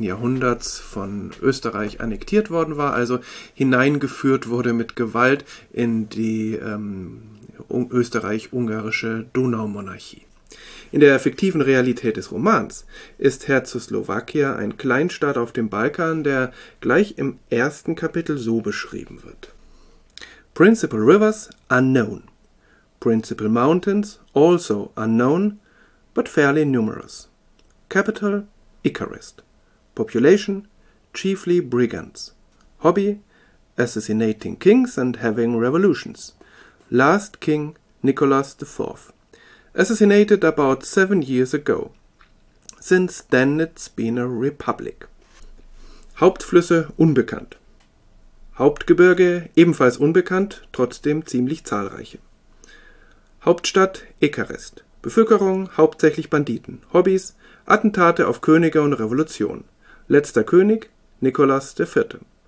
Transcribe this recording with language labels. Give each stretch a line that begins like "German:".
German: Jahrhunderts von Österreich annektiert worden war, also hineingeführt wurde mit Gewalt in die österreich-ungarische Donaumonarchie. In der fiktiven Realität des Romans ist Herzoslowakia ein Kleinstaat auf dem Balkan, der gleich im ersten Kapitel so beschrieben wird.
English: Principal rivers unknown, principal mountains also unknown, but fairly numerous. Capital Icarus, population chiefly brigands, hobby assassinating kings and having revolutions, last king Nicholas IV. Assassinated about 7 years ago. Since then it's been a republic.
German: Hauptflüsse unbekannt. Hauptgebirge ebenfalls unbekannt, trotzdem ziemlich zahlreiche. Hauptstadt Icarist. Bevölkerung hauptsächlich Banditen. Hobbys Attentate auf Könige und Revolution. Letzter König Nicholas IV.